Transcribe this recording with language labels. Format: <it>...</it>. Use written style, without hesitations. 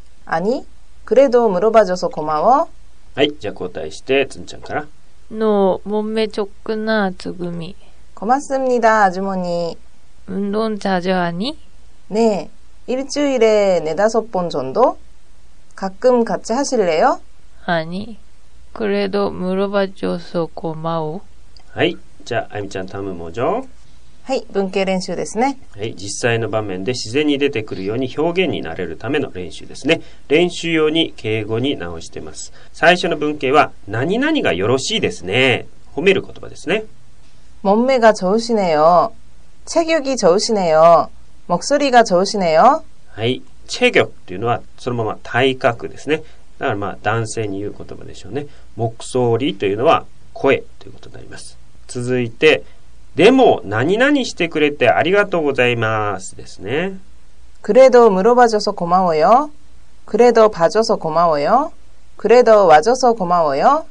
<ko>아니그래도물어봐줘서고마워</ko> <ja>はい、じゃあ交代してつんちゃんから。</ja> <ko>너몸매좋구나つぐみ。 고맙습니다아주머니。運動자주하니？ 네일주일에네다섯번정도가끔같이하실래요 아니그래도물어봐줘서고마워。</ko> <ja>はい、じゃああゆみちゃん、タムもじゃ。はい、文型練習ですね。はい、実際の場面で自然に出てくるように表現になれるための練習ですね。練習用に敬語に直してます。最初の文型は何々がよろしいですね、褒める言葉ですね。</ja> <ko>몸매가좋으시네요。 체격이 좋으시네요. 목소리가 좋으시네요.</ko> <ja>はい、체격というのはそのまま体格ですね。だからまあ男性に言う言葉でしょうね。목소리というのは声ということになります。続いて、 でも何々してくれてありがとうございますですね。</ja> <ko>그래도 물어봐줘서 고마워요. 그래도 봐줘서 고마워요. 그래도 와줘서 고마워요.</ko>